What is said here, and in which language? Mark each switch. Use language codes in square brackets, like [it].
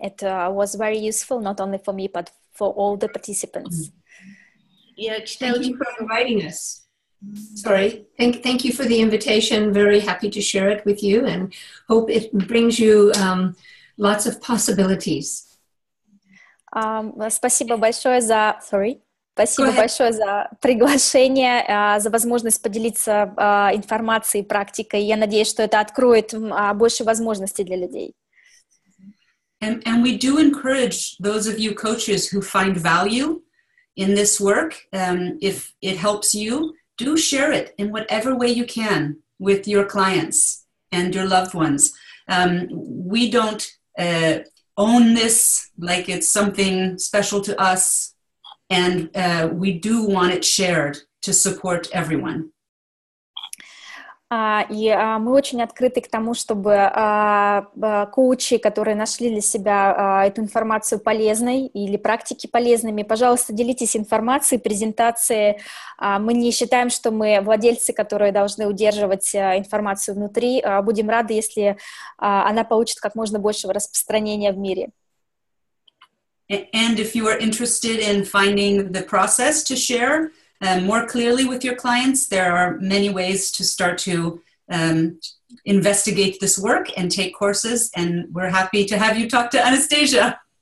[en] It was very useful not only for me, but for all the participants. Thank you for inviting us. Sorry. Thank you for the invitation. Very happy to share it with you and hope it brings you lots of possibilities. [ru] Спасибо большое за... [en] Sorry. [ru] Спасибо большое за приглашение, за возможность поделиться информацией, практикой. Я надеюсь, что это откроет больше возможностей для людей. [en] And we do encourage those of you coaches who find value in this work, if it helps you, do share it in whatever way you can with your clients and your loved ones. We don't own this like it's something special to us. And we do want it shared to support everyone. [ru] И мы очень открыты к тому, чтобы коучи, которые нашли для себя эту информацию полезной или практики полезными, пожалуйста, делитесь информацией, презентацией. Мы не считаем, что мы владельцы, которые должны удерживать информацию внутри. Будем рады, если она получит как можно большего распространения в мире. [en] And if you are interested in finding the process to share more clearly with your clients, there are many ways to start to investigate this work and take courses, and we're happy to have you talk to Anastasia.